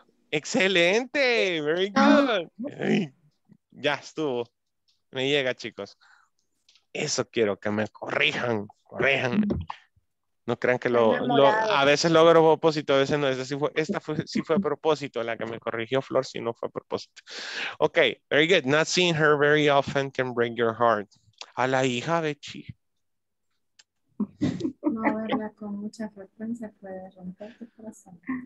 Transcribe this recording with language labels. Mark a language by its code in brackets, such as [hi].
[es] Excelente, [en] very good. [es] Ay, ya estuvo. Me llega, chicos. Eso quiero que me corrijan, No crean que lo a veces lo hago a propósito, a veces no. Esta fue a propósito, la que me corrigió Flor, si no fue a propósito. [en] Ok, very good. Not seeing her very often can break your heart. [es] A la hija de Chi. No verla con mucha frecuencia puede romper tu corazón.